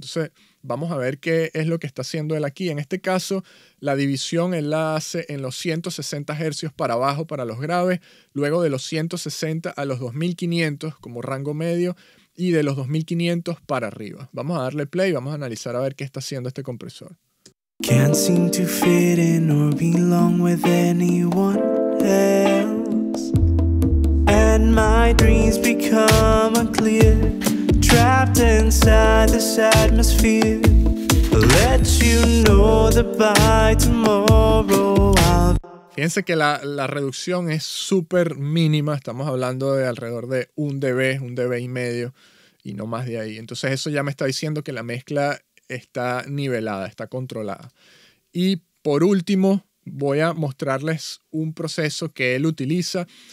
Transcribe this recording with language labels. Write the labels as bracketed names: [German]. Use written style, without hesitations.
[Spanish] Entonces vamos a ver qué es lo que está haciendo él aquí. En este caso, la división él la hace en los 160 Hz para abajo para los graves, luego de los 160 a los 2500 como rango medio y de los 2500 para arriba. Vamos a darle play y vamos a analizar a ver qué está haciendo este compresor. [English] Can't seem to fit in or belong with anyone else. And my dreams become unclear, trapped inside this atmosphere. I'll let you know that by tomorrow I'll... [Spanish] Fíjense que la reducción es súper mínima. Estamos hablando de alrededor de un dB, un dB y medio, y no más de ahí. Entonces eso ya me está diciendo que la mezcla está nivelada, está controlada. Y por último, voy a mostrarles un proceso que él utiliza.